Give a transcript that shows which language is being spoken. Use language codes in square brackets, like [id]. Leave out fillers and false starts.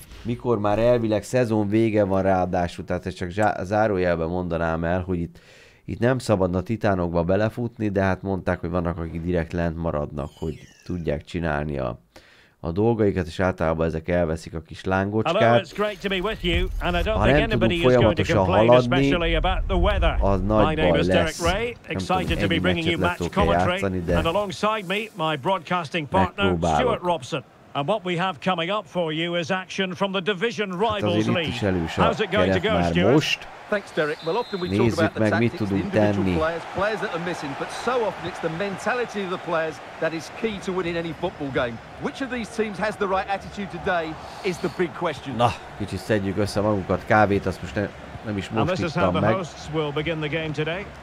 [hu] Mikor már elvileg szezon vége van ráadásul, tehát ezt csak zárójelben mondanám el, hogy itt nem szabadna titánokba belefutni, de hát mondták, hogy vannak, akik direkt lent maradnak, hogy tudják csinálni a dolgaikat, és általában ezek elveszik a kis lángocskát. Ha nem tudunk folyamatosan haladni, az nagy baj lesz. Nem tudom, ennyi meccset le tudok játszani, de megpróbálok. [en] And what we have coming up for you is action from the Division Rivals League. How's it going to go, Stuart? Most. Thanks, Derek. Well, often we talk about the tactics, the individual players that are missing, but so often it's the mentality of the players that is key to winning any football game. Which of these teams has the right attitude today is the big question. [hu] Na, kicsit szedjük össze magunkat, kávét, azt most nem is most ittam meg. [en] And this is how the hosts will begin the game today.